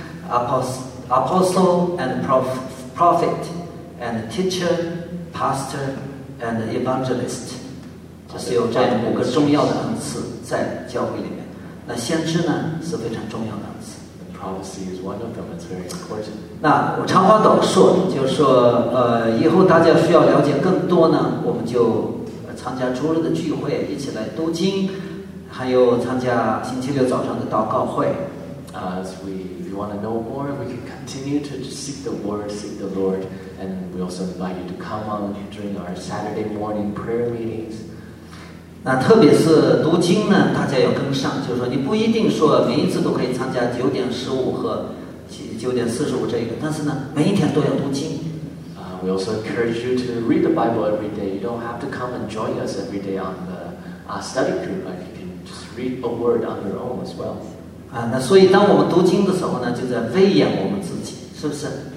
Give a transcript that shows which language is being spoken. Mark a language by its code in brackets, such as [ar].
[en] Apostle and prophet and teacher, pastor and evangelist. [zh] 这是有这样五个重要的恩赐在教会里面。那先知呢是非常重要的恩赐。 [en] The prophecy is one of them. It's very important. [zh] 那我长话短说，就是说以后大家需要了解更多呢，我们就参加周日的聚会，一起来读经，还有参加星期六早上的祷告会。 [en] If you want to know more, we can continue to just seek the word, seek the Lord, and we also invite you to come on during our Saturday morning prayer meetings. [zh] 那特别是读经呢，大家要跟上，就是说你不一定说每一次都可以参加9:15和9:45这个，但是呢，每一天都要读经。 [en] We also encourage you to read the Bible every day. You don't have to come and join us every day on the study group, but you can just read a word on your own as well. [zh] 那所以当我们读经的时候呢, 就在喂养我们自己, 是不是?